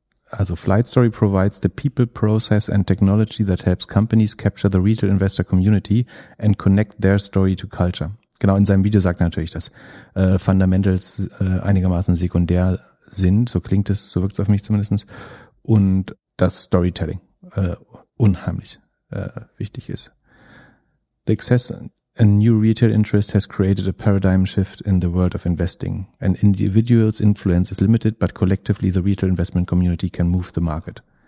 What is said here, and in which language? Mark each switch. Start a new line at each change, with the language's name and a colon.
English: Also Flight Story provides the people, process and technology that helps companies capture the retail investor community and connect their story to culture.
German: Genau, in seinem Video sagt er natürlich, dass Fundamentals einigermaßen sekundär sind. So klingt es, so wirkt es auf mich zumindest. Und dass Storytelling unheimlich wichtig ist.
English: The excess and new retail interest has created a paradigm shift in the world of investing. An individual's influence is limited, but collectively the retail investment community can move the market.